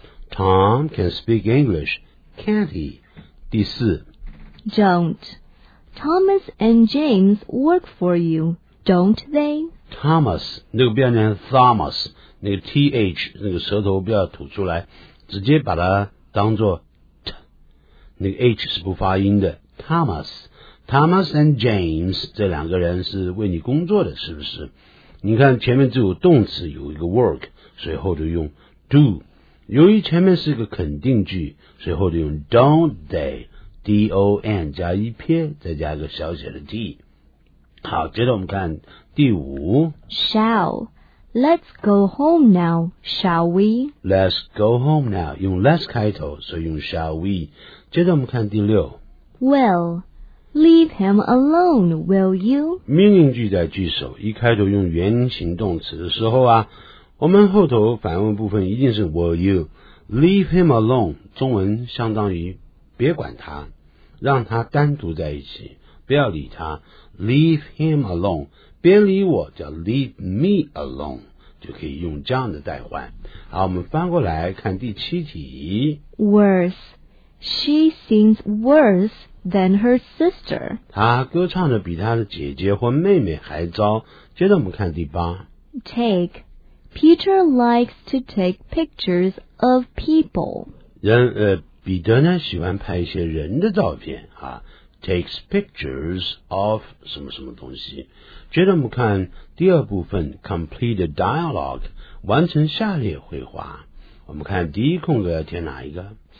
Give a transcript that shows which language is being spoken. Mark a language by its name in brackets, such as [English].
[English] Tom can speak English, can't he? [Chinese] 第四 [English] ，don't。 Thomas and James work for you, don't they? [Chinese] Thomas 那个不要念 Thomas， 那个 th 那个舌头不要吐出来，直接把它当作 t， 那个 h 是不发音的。Thomas。 Thomas and James 这两个人是为你工作的，是不是？你看前面只有动词，有一个 work， 所以后就用 do。由于前面是一个肯定句，所以后就用 [English] don't they， [Chinese] D O N 加一撇，再加一个小写的 d。好，接着我们看第五。 [English] Shall， let's go home now， shall we？ Let's go home now， 用 let's [Chinese] 开头，所以用 [English] shall we。 [Chinese] 接着我们看第六。 [English] Will。 Leave him alone, will you? [Chinese] 命令句在句首，一开头用原形动词的时候啊，我们后头反问部分一定是 [English] will you. Leave him alone, [Chinese] 中文相当于别管他，让他单独在一起，不要理他。 [English] Leave him alone, [Chinese] 别理我，叫 [English] leave me alone, [Chinese] 就可以用这样的代换。好，我们翻过来看第七题。 [English] Worse, she seems worse. Than her sister. [Chinese] 她歌唱的比她的姐姐或妹妹还糟。接着我们看第八。 [English] Take. Peter likes to take pictures of people. [Chinese] 彼得呢喜欢拍一些人的照片啊。 [English] Takes pictures of [Chinese] 什么什么东西。接着我们看第二部分 , [English] complete the dialogue, [Chinese] 完成下列绘画。我们看第一空格要填哪一个